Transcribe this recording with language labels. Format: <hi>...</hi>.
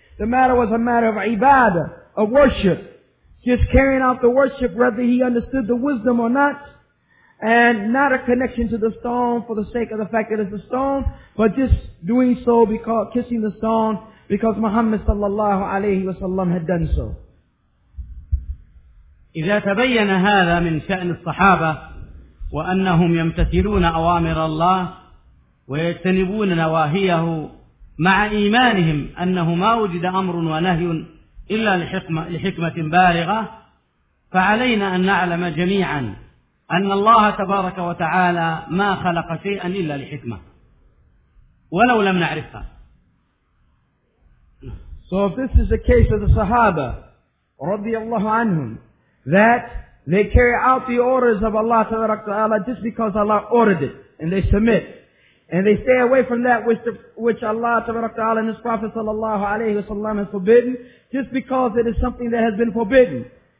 <en>The matter was a matter of ibadah, of worship. Just carrying out the worship whether he understood the wisdom or not. And not a connection to the stone for the sake of the fact that it's a stone, but just doing so because kissing the stone because Muhammad</en> <ar>sallallahu alaihi wasallam</ar> <en>had done so.</en> <ar>إذا تبين هذا من شأن الصحابة وأنهم يمتثلون أوامر الله ويجتنبون نواهيه مع إيمانهم أنه ما وجد أمر ونهي إلا لحكمة بالغة، فعلينا أن نعلم جميعا أن الله تبارك وتعالى ما خلق شيئا إلا لحكمة ولو لم نعرفها.</ar> <en>So if this is the case of the Sahaba</en> <ar>رضي الله عنهم,</ar> <en>that they carry out the orders of Allah Ta'ala just because Allah ordered it, and they submit, and they stay away from that which Allah Ta'ala and His Prophet</en> <ar>sallallahu alaihi wasallam</ar> <en>has forbidden, just because it is something that has been forbidden,</en>